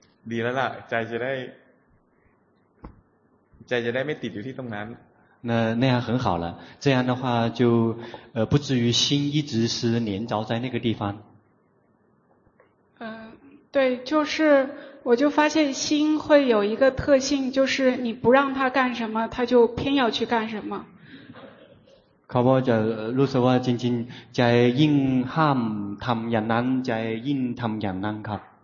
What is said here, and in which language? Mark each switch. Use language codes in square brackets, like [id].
[th] ดีแล้วล่ะใจจะได้ไม่ติดอยู่ที่ตรงนั้น [zh] 那样很好了这样的话就不至于心一直是黏着在那个地方对就是我就发现心会有一个特性就是你不让它干什么它就偏要去干什么 [th] เขาบอกจะรู้สึกว่าจริงๆใจยิ่งห้ามทำอย่างนั้นใจยิ่งทำอย่างนั้นครับ